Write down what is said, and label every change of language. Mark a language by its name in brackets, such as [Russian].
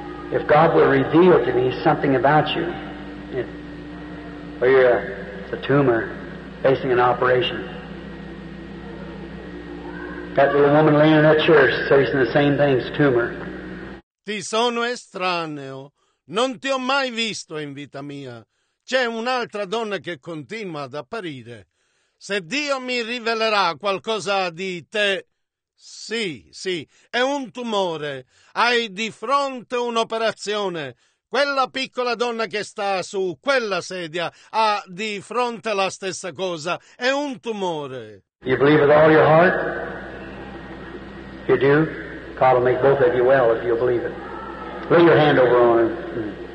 [English] If God will reveal to me something about you, or you're a tumor facing an operation, that little woman laying in that chair is facing the same thing as a tumor. [Italian] Ti sono estraneo. Non ti ho mai visto in vita mia. C'è un'altra donna che continua ad apparire. Se Dio mi rivelerà qualcosa di te... Sì, sì, è un tumore. Hai di fronte un'operazione. Quella piccola donna che sta su quella sedia ha di fronte la stessa cosa. È un tumore. [English] You believe with all your heart? You do? God will make both of you well if you believe it. Lay your hand over on him.